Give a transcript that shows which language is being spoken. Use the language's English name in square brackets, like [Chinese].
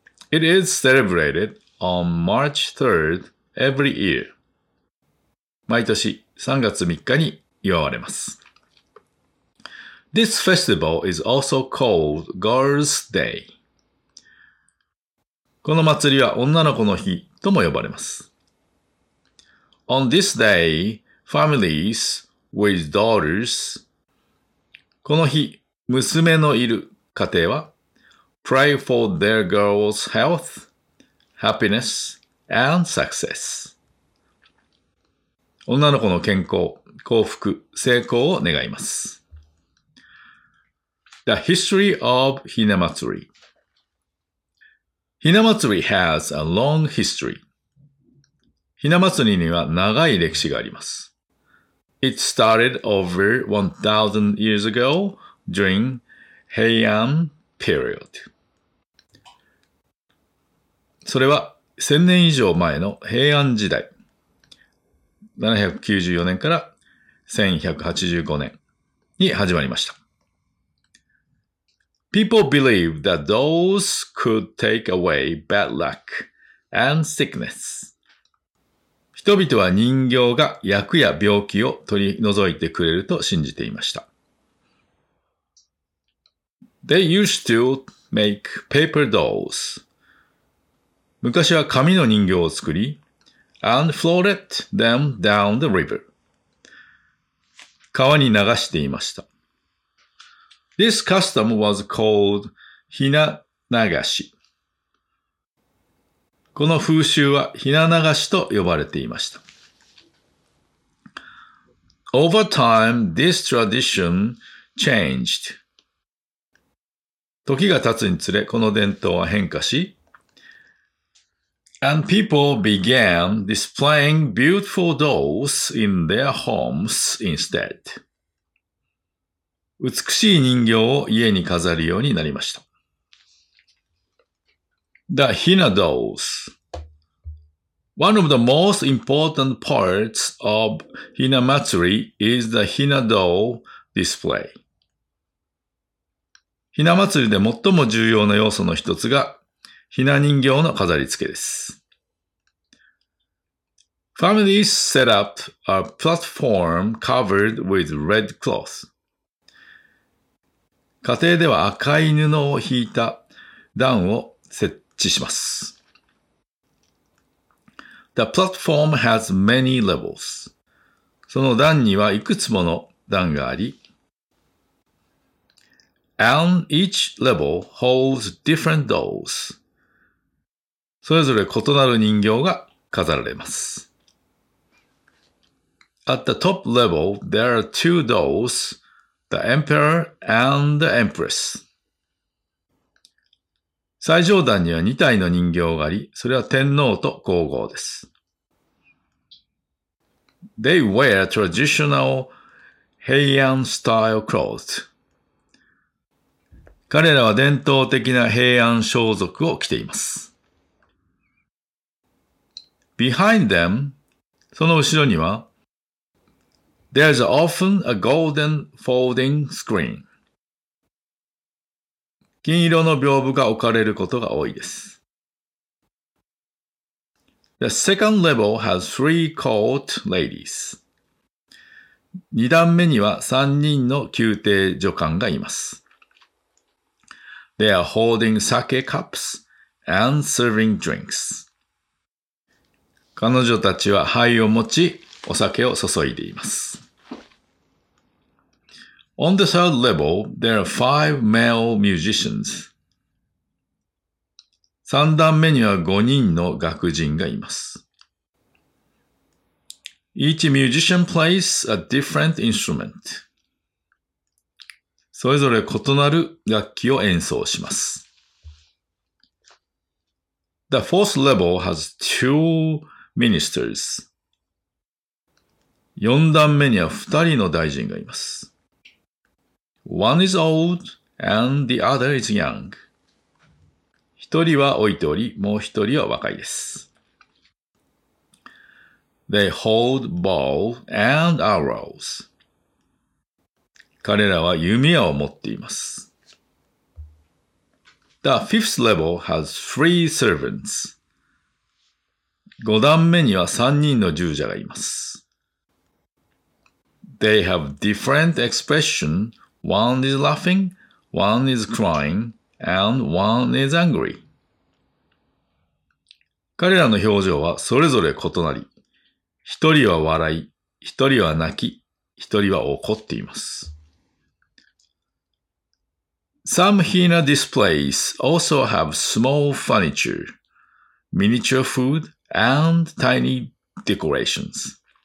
[English] It is celebrated on March 3rd every year。 [Japanese] 毎年3月3日に祝われます。 [English] This festival is also called Girls' Day。 [Japanese] この祭りは女の子の日とも呼ばれます。 [English] On this day, families with daughters、 [Japanese] この日、娘のいる家庭は [English] pray for their girls' health, happiness and success。 [Japanese] 女の子の健康、幸福、成功を願います。 [English] The history of Hinamatsuri. Hinamatsuri has a long history. [Japanese] Hinamatsuri には長い歴史があります。 [English] It started over 1000 years ago during Heian period. [Japanese] それは1000年以上前の平安時代、794年から1185年に始まりました。 [English] People believe that dolls could take away bad luck and sickness. [Japanese] 人々は人形が厄や病気を取り除いてくれると信じていました。 [English] They used to make paper dolls. [Japanese] 昔は紙の人形を作り、 [English] and floated them down the river. [Japanese] 川に流していました。 [English] This custom was called ひな流し。 [Japanese] この風習はひな流しと呼ばれていました。 [English] Over time, this tradition changed. [Japanese] 時が経つにつれこの伝統は変化し、 [English] And people began displaying beautiful dolls in their homes instead. [Japanese] 美しい人形を家に飾るようになりました。 [English] The Hina Dolls. One of the most important parts of Hina Matsuri is the Hina Doll Display. [Japanese] Hina Matsuri で最も重要な要素の一つが、ひな人形の飾り付けです。 [English] Families set up a platform covered with red cloth. [Japanese] 家庭では赤い布を引いた段を設置します。 [English] The platform has many levels. [Japanese] その段にはいくつもの段があり、 [English] And each level holds different dolls. [Japanese] それぞれ異なる人形が飾られます。 [English] At the top level, there are two dolls, the emperor and the empress. [Japanese] 最上段には2体の人形があり、それは天皇と皇后です。 [English] They wear traditional Heian style clothes. [Japanese] 彼らは伝統的な平安装束を着ています。 [English] Behind them, [Japanese] その後ろには、 [English] There's often a golden folding screen. [Japanese] 金色の屏風が置かれることが多いです。 [English] The second level has three court ladies. [Japanese] 二段目には三人の宮廷女官がいます。 [English] They are holding sake cups and serving drinks. [Japanese] 彼女たちは杯を持ち、お酒を注いでいます。 [English] On the third level, there are five male musicians. [Japanese] 三段目には五人の楽人がいます。 [English] Each musician plays a different instrument. [Japanese] それぞれ異なる楽器を演奏します。 [English] The fourth level has two ministers. [Japanese] 四段目には二人の大臣がいます。 [English] One is old and the other is young. [Japanese] 一人は老いており、もう一人は若いです。 [English] They hold bow and arrows. [Japanese] 彼らは弓矢を持っています。 [English] The fifth level has three servants. [Japanese] 五段目には三人の従者がいます。 [English] They have different expression. One is laughing, one is crying, and one is angry. [Japanese] 彼らの表情はそれぞれ異なり、一人は笑い、一人は泣き、一人は怒っています。 [English] Some Hina displays also have small furniture, miniature food, and tiny decorations.